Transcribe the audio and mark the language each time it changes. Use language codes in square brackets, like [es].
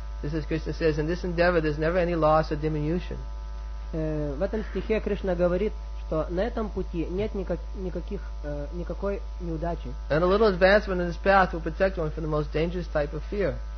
[en] This is Krishna says, in this endeavor there's never any loss or diminution. [ru] В этом стихе Кришна говорит, что на этом пути нет никакой неудачи. [en] And a little advancement in this path will protect one from the most dangerous type of fear.